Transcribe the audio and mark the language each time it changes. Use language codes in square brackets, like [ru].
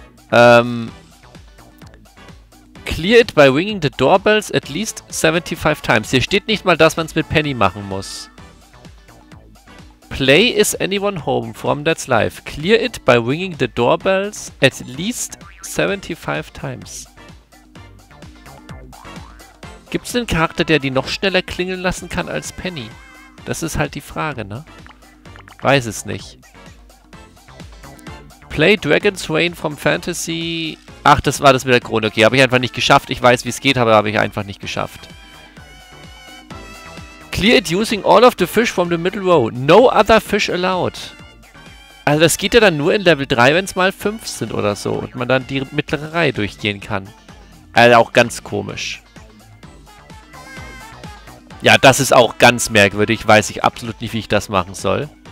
[en] Clear it by ringing the doorbells at least 75 times. [de] Hier steht nicht mal, dass man es mit Penny machen muss. [en] Play is anyone home from That's Life. Clear it by ringing the doorbells at least 75 times. [de] Gibt es einen Charakter, der die noch schneller klingeln lassen kann als Penny? Das ist halt die Frage, ne? Weiß es nicht. [en] Play Dragon's Reign from Fantasy. [de] Ach, das war das mit der Krone. Okay, habe ich einfach nicht geschafft. Ich weiß, wie es geht, aber habe ich einfach nicht geschafft. [en] Clear it using all of the fish from the middle row. No other fish allowed. [de] Also, das geht ja dann nur in Level 3, wenn es mal 5 sind oder so. Und man dann die mittlere Reihe durchgehen kann. Also, auch ganz komisch. Ja, das ist auch ganz merkwürdig. Weiß ich absolut nicht, wie ich das machen soll.